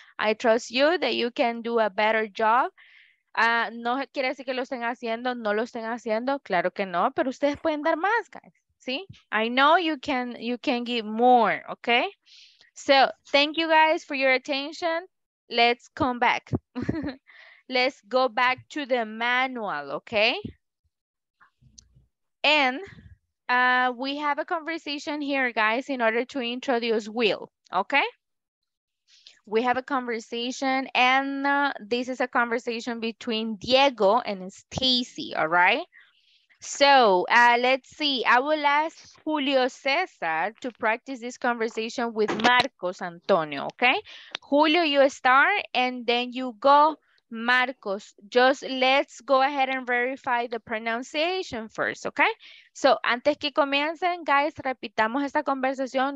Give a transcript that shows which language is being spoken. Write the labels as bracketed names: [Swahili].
[English] I trust you that you can do a better job. [Spanish] No quiere decir que lo estén haciendo, no lo estén haciendo. Claro que no, pero ustedes pueden dar más, guys. [English] ¿Sí? I know you can give more, ¿ok? So, thank you guys for your attention. Let's come back. Let's go back to the manual, okay? And we have a conversation here, guys, in order to introduce Will, okay? We have a conversation, and this is a conversation between Diego and Stacy, all right? So, let's see. I will ask Julio César to practice this conversation with Marcos Antonio, okay? Julio, you start, and then you go, Marcos. Just let's go ahead and verify the pronunciation first, okay? [Spanish] So, antes que comiencen, guys, repitamos esta conversación.